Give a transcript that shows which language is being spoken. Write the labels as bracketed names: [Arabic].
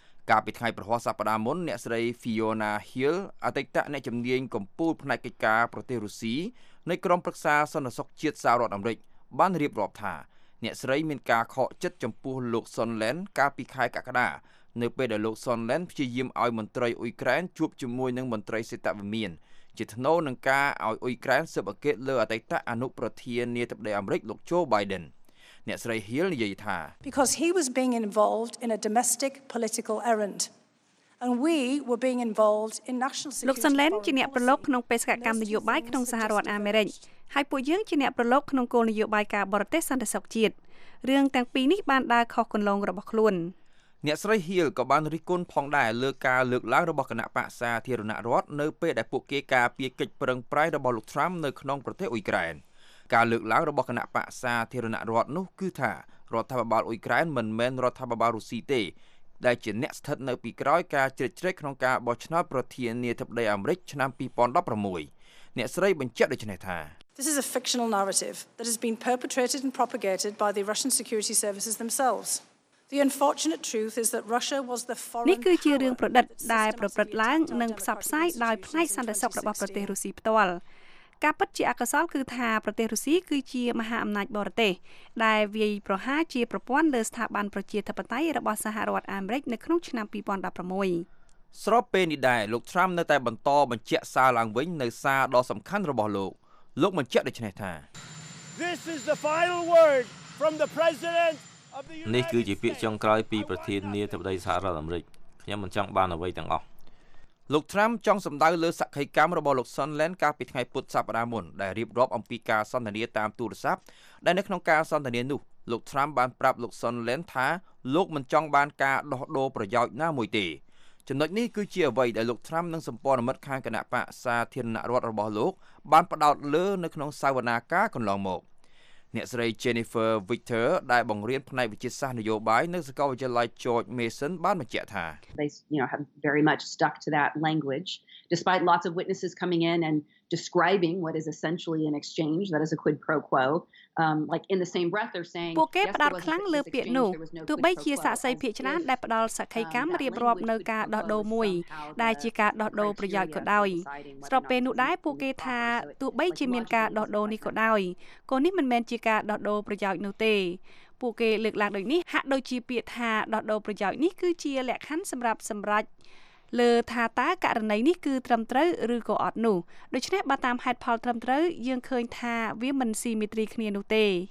[Khmer] កាលពីថ្ងៃប្រហោះសប្តាហ៍មុនអ្នកស្រី Fiona Hill អតីតអ្នកជំនាញកម្ពុជាផ្នែកកិច្ចការប្រទេសរុស្ស៊ីនៃក្រុមប្រឹក្សាសន្តិសុខជាតិសហរដ្ឋអាមេរិកបានរៀបរាប់ថាអ្នកស្រីមានការខកចិត្តចំពោះលោក Sondland កាលពីខែកក្កដានៅពេលដែលលោក Sondland ព្យាយាមឲ្យមន្ត្រីអ៊ុយក្រែនជួបជាមួយនឹងមន្ត្រីសេដ្ឋវិមានជាថ្នូរនឹងការឲ្យអ៊ុយក្រែនស៊ើបអង្កេតលើអតីតអនុប្រធាននាយកអាមេរិកលោក Joe Biden អ្នកស្រី Hill និយាយថា [English] Because he was being involved in a domestic political errand and we were being involved in national security [Khmer] លោក Sondland ជាអ្នកប្រឡូកក្នុងបេសកកម្មនយោបាយក្នុងសហរដ្ឋអាមេរិកហើយពួកយើងជាអ្នកប្រឡូកក្នុងគោលនយោបាយការបរទេសសន្តិសុខជាតិរឿងទាំងពីរនេះបានដើរខុសគន្លងរបស់ខ្លួន អ្នកស្រី Hill ក៏បានរិះគន់ផងដែរលើការលើកឡើងរបស់គណៈបក្សសាធារណរដ្ឋនៅពេលដែលពួកគេការពារកិច្ចប្រឹងប្រែងរបស់លោក Trump នៅក្នុងប្រទេសអ៊ុយក្រែនការលើកឡើងរបស់គណៈបក្សសាធារណរដ្ឋនោះគឺថារដ្ឋាភិបាលអ៊ុយក្រែនមិនមែនរដ្ឋាភិបាលរុស្ស៊ីទេដែលជាអ្នកស្ថិតនៅពីក្រោយការជ្រៀតជ្រែកក្នុងការបោះឆ្នោតប្រធានាធិបតីអាមេរិកឆ្នាំ2016អ្នកស្រីបញ្ជាក់ដូចនេះថា [English] This is a fictional narrative that has been perpetrated and propagated by the Russian security services themselves. The unfortunate truth is that Russia was the foreign [Khmer] នេះគឺជារឿងប្រឌិតដែលប្រព្រឹត្តឡើងនិងផ្សព្វផ្សាយដោយផ្នែកសន្តិសុខរបស់ប្រទេសរុស្ស៊ីផ្ទាល់។ក ការពិតជាអកុសលគឺថាប្រទេសរុស្ស៊ីគឺជាមហាអំណាចបរទេសដែលវាយប្រហារជាប្រព័ន្ធលើស្ថាប័នប្រជាធិបតេយ្យរបស់សហរដ្ឋអាមេរិកនៅក្នុងឆ្នាំ2016 ស្របពេលនេះដែរលោក Trump នៅតែបន្តបញ្ជាក់សារឡើងវិញនៅសារដ៏សំខាន់របស់លោកលោកបញ្ជាក់ដូចនេះថានេះគឺជាពាក្យចុងក្រោយពីប្រធានាធិបតីសហរដ្ឋអាមេរិកខ្ញុំមិនចង់បានអ្វីទាំងអស់លោក Trump ចង់សម្ដៅលើសក្តិកម្មរបស់លោក Sondland កាលពីថ្ងៃពុធសប្តាហ៍មុនដែលរៀបរាប់អំពីការសន្ទនាតាមទូរស័ព្ទដែលនៅក្នុងការសន្ទនានោះលោក Trump បានប្រាប់លោក Sondland ថាលោកមិនចង់បានការដោះដូរប្រយោជន៍ណាមួយទេចំណុចនេះគឺជាអ្វីដែលលោកត្រាំនិងសម្ព័ន្ធមិត្តខាងគណៈបកសាធារណរដ្ឋរបស់លោកបានផ្ដោតលើនៅក្នុងសវនាការកន្លងមកអ្នកស្រី Jennifer Victor ដែលបង្រៀនផ្នែកវិទ្យាសាស្ត្រនយោបាយនៅសាកលវិទ្យាល័យ George Mason បានបញ្ជាក់ថា [English] They you know have very much stuck to that language despite lots of witnesses coming in and describing what is essentially an exchange that is a quid pro quo like in the same breath they're saying [Khmer] ពួកគេផ្ដោតខ្លាំងលើពាក្យនោះទោះបីជាសាកសីភាគច្រើនដែលផ្ដល់សក្ខីកម្មរៀបរាប់នៅការដោះដូរមួយដែលជាការដោះដូរប្រយោជន៍ក៏ដោយស្របពេលនោះដែរពួកគេថាទោះបីជាមានការដោះដូរនេះក៏ដោយក៏នេះមិនមែនជាការដោះដូរប្រយោជន៍នោះទេពួកគេលើកឡើងដូចនេះហាក់ដូចជាពាក្យថាដោះដូរប្រយោជន៍នេះគឺជាលក្ខខណ្ឌសម្រាប់សម្រាប់លើថាតើករណីនេះគឺត្រឹមត្រូវឬក៏អត់នោះដូច្នេះបើតាមហេតុផលត្រឹមត្រូវយើងឃើញថាវាមិនស៊ីមេត្រីគ្នានោះទេ